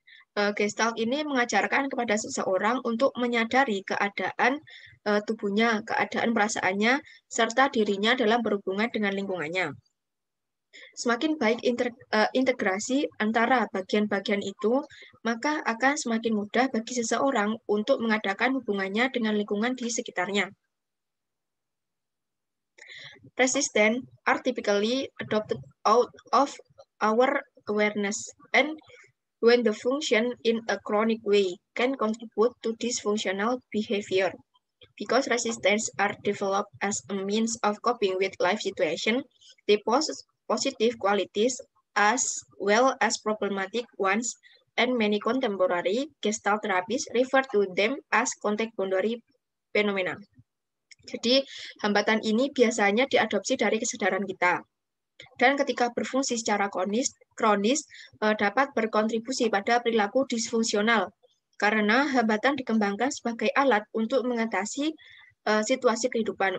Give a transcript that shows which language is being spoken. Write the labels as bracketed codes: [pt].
[id] Gestalt ini mengajarkan kepada seseorang untuk menyadari keadaan tubuhnya, keadaan perasaannya, serta dirinya dalam berhubungan dengan lingkungannya. Semakin baik integrasi antara bagian-bagian itu, maka akan semakin mudah bagi seseorang untuk mengadakan hubungannya dengan lingkungan di sekitarnya. [en] Resistance are typically adopted out of our awareness and when the function in a chronic way can contribute to dysfunctional behavior. Because resistance are developed as a means of coping with life situation, they pose positive qualities as well as problematic ones, and many contemporary Gestalt therapists refer to them as contact boundary phenomena. [id] Jadi, hambatan ini biasanya diadopsi dari kesadaran kita. Dan ketika berfungsi secara kronis dapat berkontribusi pada perilaku disfungsional karena hambatan dikembangkan sebagai alat untuk mengatasi situasi kehidupan.